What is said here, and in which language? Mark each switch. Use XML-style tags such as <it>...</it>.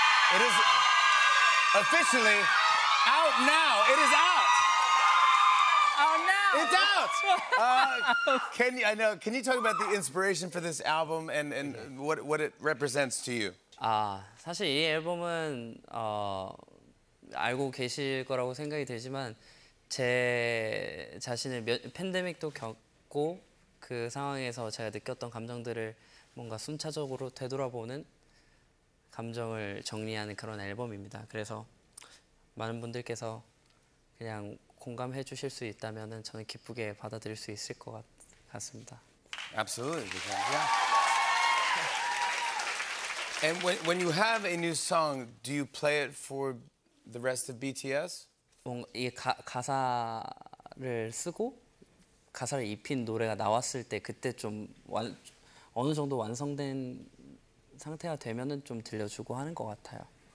<en>It is officially out now. It is out. It's out! Can you talk about the inspiration for this album and what it represents to you?</en> <ko>사실 이 앨범은 알고 계실 거라고 생각이 되지만 제 자신을 팬데믹도 겪고 그 상황에서 제가 느꼈던 감정들을 뭔가 순차적으로 되돌아보는 감정을 정리하는 그런 앨범입니다. 그래서 많은 분들께서 그냥 공감해 주실 수 있다면은 저는 기쁘게 받아들일 수 있을 것 같습니다.</ko> <en>Absolutely. Yeah. And when you have a new song, do you play it for the rest of BTS?</en> <ko>이 가사를 쓰고 가사를 입힌 노래가 나왔을 때 그때 좀 어느 정도 완성된 상태가 되면은 좀 들려주고 하는 것 같아요.</ko>